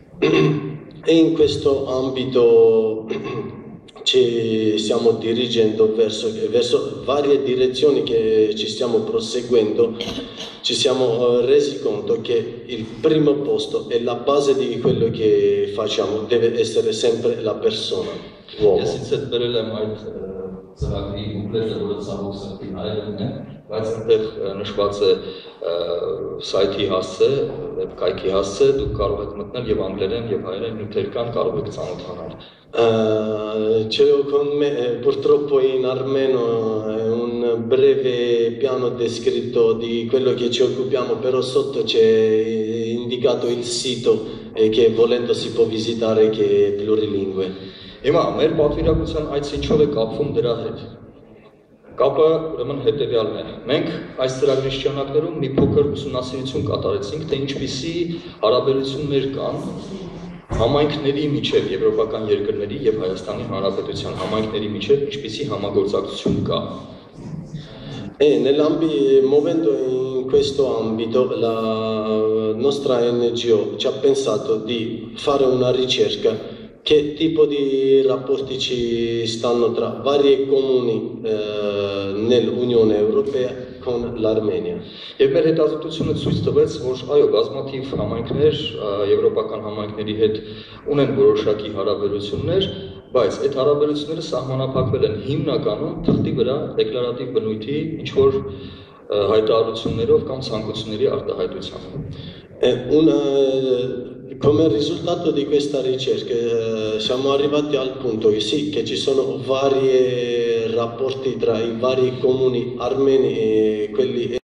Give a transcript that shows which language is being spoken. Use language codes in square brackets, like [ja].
[it] In questo ambito ci stiamo dirigendo verso varie direzioni che ci stiamo proseguendo, ci siamo resi conto che il primo posto è la base di quello che facciamo, deve essere sempre la persona, l'uomo. [hy] Բայց այնտեղ նշված է սայթի հասցե, վեբկայքի հասցե, դուք կարող եք մտնել եւ անգլերեն եւ հայերեն նյութեր կան, կարող եք ծանոթանալ։ [it] Ce ho con me, purtroppo in armeno è un breve piano descritto di quello che ci occupiamo, però sotto c'è indicato il sito che volendo si può visitare, che è plurilingue. [hy] Հիմա մեր պատվիրակության այս ինչով է կապվում դրա հետ։ Կապը ուրեմն հետևյալն է։ Մենք այս ծրագրի շրջանակներում մի փոքր ուսումնասիրություն կատարեցինք, թե ինչպիսի հարաբերություններ կան համայնքների միջև, եվրոպական երկրների եւ Հայաստանի Հանրապետության համայնքների միջև ինչպիսի համագործակցություն կա։ [it] Nel momento in questo ambito la nostra NGO ci ha pensato di fare una ricerca. Che tipo di rapporti ci stanno tra varie comuni nell'Unione Europea con l'Armenia? [hy] Եվ մեր հետազոտությունը ցույց տվեց, որ այո, բազմաթիվ համայնքներ եվրոպական համայնքների հետ ունեն որոշակի հարաբերություններ, բայց այդ հարաբերությունները սահմանափակվել են հիմնականում թղթի վրա դեկլարատիվ բնույթի ինչ-որ հայտարարություններով կամ ցանկությունների արտահայտությամբ։ [it] Come risultato di questa ricerca siamo arrivati al punto che sì, che ci sono vari rapporti tra i vari comuni armeni e quelli